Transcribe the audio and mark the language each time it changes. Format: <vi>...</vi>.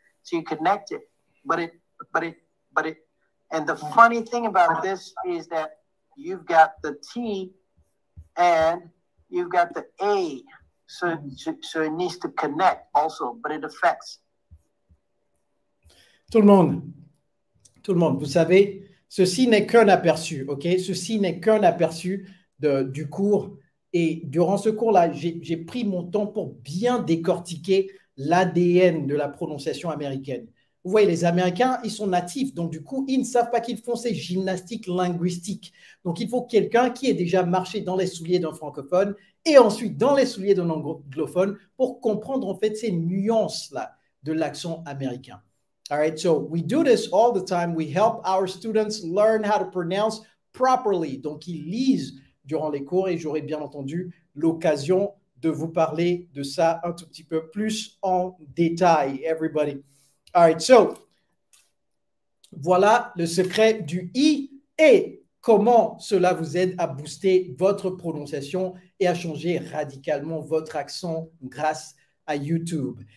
<en>So you connect it, but it, and the funny thing about this is that you've got the T and you've got the A, so it needs to connect also, but it affects.</en> <fr>Tout le monde, vous savez, ceci n'est qu'un aperçu, OK? Ceci n'est qu'un aperçu du cours. Et durant ce cours-là, j'ai pris mon temps pour bien décortiquer l'ADN de la prononciation américaine. Vous voyez, les Américains, ils sont natifs. Donc, du coup, ils ne savent pas qu'ils font ces gymnastiques linguistiques. Donc, il faut quelqu'un qui ait déjà marché dans les souliers d'un francophone et ensuite dans les souliers d'un anglophone pour comprendre, en fait, ces nuances-là de l'accent américain.</fr> <en>All right, so we do this all the time. We help our students learn how to pronounce properly.</en> <fr>Donc, ils lisent durant les cours et j'aurai bien entendu l'occasion de vous parler de ça un tout petit peu plus en détail, everybody.</fr> <en>All right, so</en> <fr>voilà le secret du I et comment cela vous aide à booster votre prononciation et à changer radicalement votre accent grâce à YouTube.</fr>